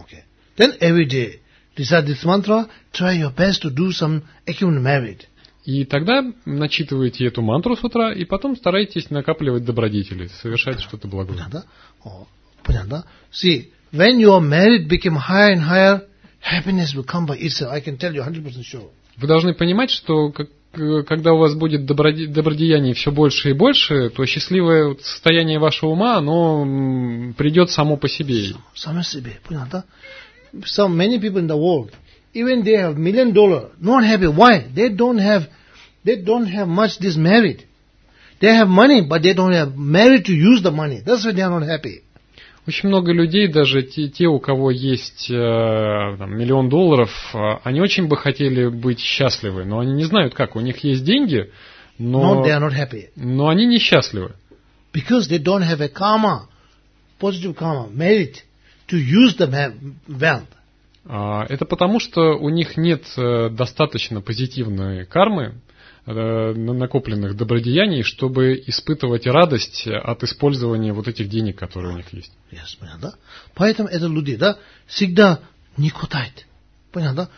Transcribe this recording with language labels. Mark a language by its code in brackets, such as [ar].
[en] Okay. Then every day, recite this mantra, try your best to do some accumulated merit. [ru] И тогда начитывайте эту мантру с утра, и потом старайтесь накапливать добродетели, совершать что-то благое. Понятно? Понятно? [en] See, when your merit became higher and higher, happiness will come by itself. I can tell you 100% sure. [ru] Вы должны понимать, что когда у вас будет добродеяние все больше и больше, то счастливое состояние вашего ума, оно придет само по себе. Само себе, понятно? [en] So many people in the world, even they have $1,000,000, not happy. Why? They don't have much this merit. They have money, but they don't have merit to use the money. That's why they are not happy. [ru] Очень много людей, даже те, у кого есть там, миллион долларов, они очень бы хотели быть счастливы, но они не знают как. У них есть деньги, но, [en] no, they are not happy. [ru] Но они несчастливы. [en] Because they don't have a karma, positive karma, merit to use the wealth. [ru] Это потому, что у них нет достаточно позитивной кармы, накопленных добродеяний, чтобы испытывать радость от использования вот этих денег, которые у них есть. Yes, понятно? Поэтому это люди, да, всегда не хватает. Понятно?